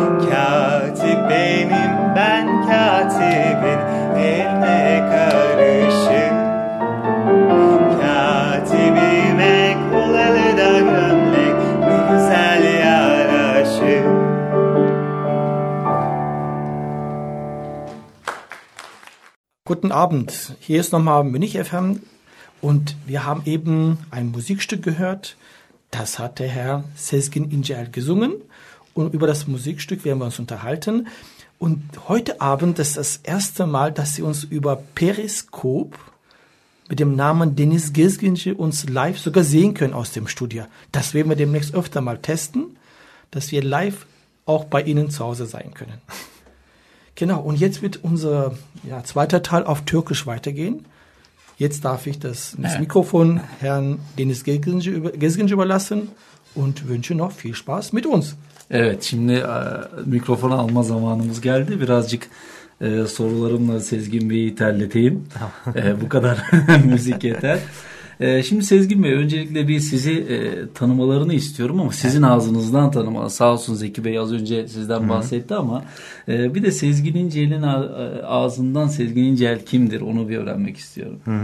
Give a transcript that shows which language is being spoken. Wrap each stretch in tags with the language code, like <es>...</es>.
<tr>Katip benim, ben katibin, eline karışım. Katibime kol ele de gömlek, ne güzel yaraşım.</tr> <de>Guten Abend, hier ist nochmal Münich FM und wir haben eben ein Musikstück gehört, das hat der Herr Sezgin İncel gesungen und über das Musikstück werden wir uns unterhalten. Und heute Abend ist das erste Mal, dass Sie uns über Periskop mit dem Namen Deniz Gezginci uns live sogar sehen können aus dem Studio. Das werden wir demnächst öfter mal testen, dass wir live auch bei Ihnen zu Hause sein können. Genau, und jetzt wird unser zweiter Teil auf Türkisch weitergehen. Jetzt darf ich das Mikrofon Herrn Deniz Gezginci überlassen und wünsche noch viel Spaß mit uns.</de> <tr>Evet, şimdi mikrofonu alma zamanımız geldi. Birazcık sorularımla Sezgin Bey'i terleteyim. bu kadar müzik yeter. Şimdi Sezgin Bey, öncelikle bir sizi tanımalarını istiyorum ama sizin ağzınızdan tanıma. Sağ olsun Zeki Bey az önce sizden bahsetti ama bir de Sezgin İncel'in ağzından Sezgin İncel kimdir onu bir öğrenmek istiyorum.</tr>